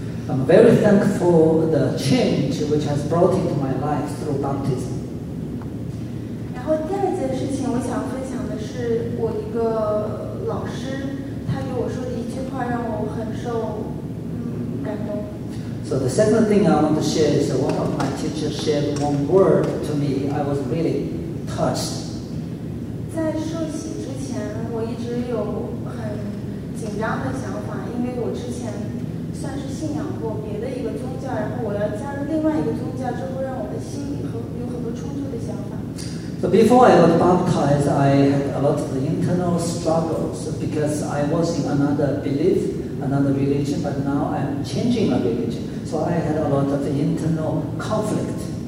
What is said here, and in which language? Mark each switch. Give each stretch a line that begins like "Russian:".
English: I'm very thankful for the change which has brought into my life through baptism.
Chinese: 然后第二件事情我想分享的是我一个老师他给我说的一句话让我很受感动。
English: So the second thing I want to share is that one of my teachers shared one word to me. I was really touched.
Chinese: 在受洗之前我一直有很紧张的想法因为我之前算是信仰过别的一个宗教然后我要加入另外一个宗教之后让我的心里有很多冲突的想法
English: So before I got baptized I had a lot of internal struggles because I was in another belief another religion but now I'm changing my religion so I had a lot of internal conflict